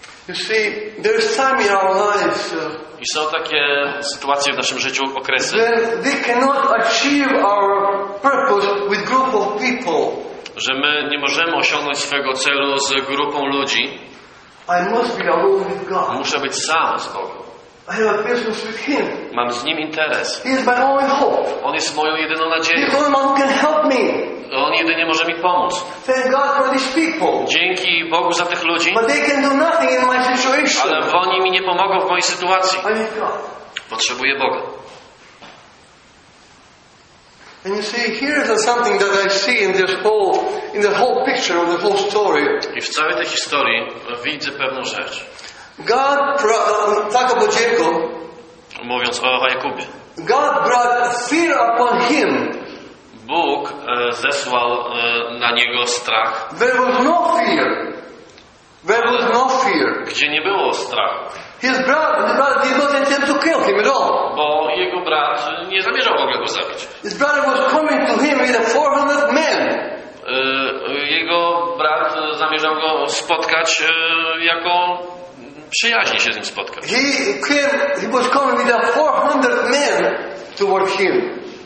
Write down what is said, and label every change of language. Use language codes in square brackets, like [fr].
[en] You see, there is time in our lives. [pl] I są takie sytuacje w naszym życiu, okresy. [en] When we cannot achieve our purpose with group of people. [pl] Że my nie możemy osiągnąć swojego celu z grupą ludzi. [en] I must be alone with God. [pl] Muszę być sam z Bogiem. [en] I have a business with Him. [pl] Mam z Nim interes. [en] He is my only hope. [pl] On jest moją jedyną nadzieją. [en] The only one who can help me. [pl] On jedynie może mi pomóc. [en] Thank God for these people. [pl] Dzięki Bogu za tych ludzi. [en] But they can do nothing in my situation. [pl] Ale oni mi nie pomogą w mojej sytuacji. [en] I need God. [pl] Potrzebuję Boga. [en] And you see, here is something that I see in this whole, in the whole picture of the whole story. [pl] I w całej tej historii widzę pewną rzecz. God, tak o Jacobie. Mówiąc o Jakubie. [en] God brought fear upon him. [pl] Bóg zesłał na niego strach. [en] There was no fear. There was no fear. [pl] Gdzie nie było strachu? [en] His brother did not intend to kill him at all. [pl] Bo jego brat nie zamierzał w ogóle go zabić. [en] His brother was coming to him with 400 men. [pl] Jego brat zamierzał go spotkać jako przyjaźnie się z nim spotkać. [en] He was coming with 400 men toward him.